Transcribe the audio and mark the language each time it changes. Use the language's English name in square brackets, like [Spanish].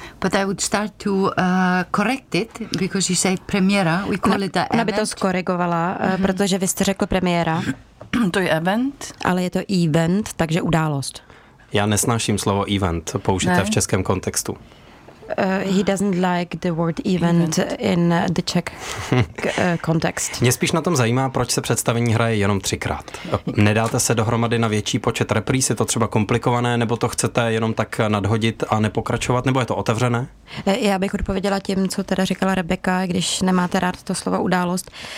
[English] But I would start to correct it, because you say premiera, we call it a event. [Czech] Ona by to zkorigovala, protože vy jste řekl premiéra. To je event. Ale je to event, takže událost. Já nesnáším slovo event, použité v českém kontextu. [English] He doesn't like the word event in the Czech context. [Czech] Mě spíš na tom zajímá, proč se představení hraje jenom třikrát. Nedáte se dohromady na větší počet reprýz? Je to třeba komplikované, nebo to chcete jenom tak nadhodit a nepokračovat, nebo je to otevřené? Já bych odpověděla tím, co teda říkala Rebeka, když nemáte rád to slovo událost.